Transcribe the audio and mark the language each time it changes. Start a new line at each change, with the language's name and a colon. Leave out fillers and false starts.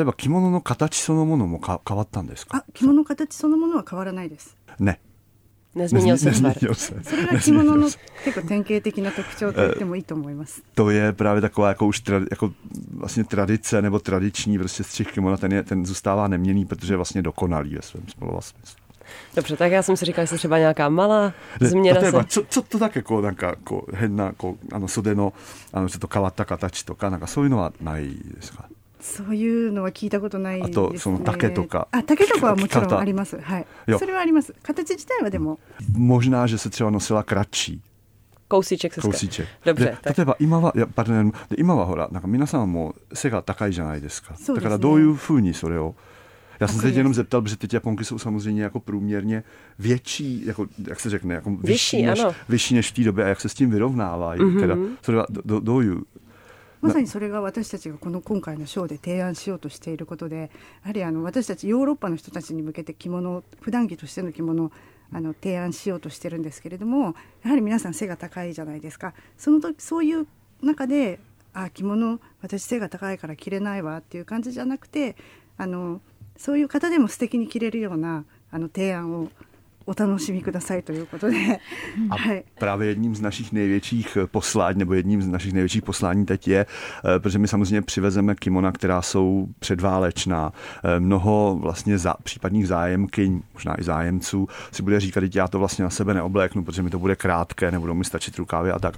Japanese: ものも変わったんですか? 着物形そのものは変わらないです。ね。
Czech: To je právě taková jako už vlastně tradice nebo tradiční prostě střih kimona, ten zůstává neměný, protože vlastně dokonalý ve svém spolova smyslu. Dobře, tak já jsem si říkal, že třeba nějaká malá změna. Co to tak jako nějaká jako hena, jako ano, sodeno, ano, že to kavata, katači, to kanaka, jsou jinová najízka.
Japanese: そういうのは聞いたことないですね。あとその竹とか。あ、竹とかはもちろんあります。はい。それはあります。形自体はでも。
Czech: možná, že se třeba nosila kratší. Kousíček se kousíček. Dobře. Tak.
Japanese: 例えば今は、pardon, 今はほら、なんか皆さんも背が高いじゃないですか。そうですね。だからどういうふうにそれを。
Czech: Já jsem se jenom zeptal, protože teď Japonky jsou samozřejmě jako průměrně větší, jako, jak se řekne, jako vyšší, vyšší než v té době a jak se s tím vyrovnávají. Mm-hmm. Teda,
Japanese: それはどういう。まさにそれが私たちがこの今回のショーで提案しようとしていることで、やはり私たちヨーロッパの人たちに向けて着物を、普段着としての着物を提案しようとしているんですけれども、やはり皆さん背が高いじゃないですか。その時そういう中で、あ、着物私背が高いから着れないわっていう感じじゃなくて、そういう方でも素敵に着れるような提案をお楽しみくださいということで。
Czech: A právě jedním z našich největších poslání, nebo jedním z našich největších poslání teď je, protože my samozřejmě přivezeme kimona, která jsou předválečná. Mnoho vlastně případních zájemkyň, možná i zájemců, si bude říkat, že já to vlastně na sebe neobléknu, protože mi to bude krátké, nebudou mi stačit rukávy a tak.